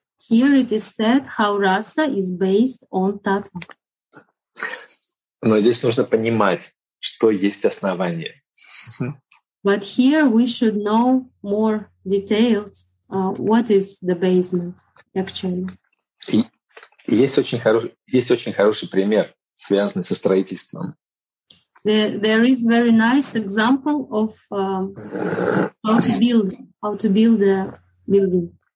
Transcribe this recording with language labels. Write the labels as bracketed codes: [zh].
[en] Here it is said how rasa is based on tattva. [ru] Но здесь нужно понимать, что есть основание. [en] But here we should know more detailed what is the basement actually. [ru] Есть очень хороший пример, связанный со строительством. [en] There is very nice example of how to build a building.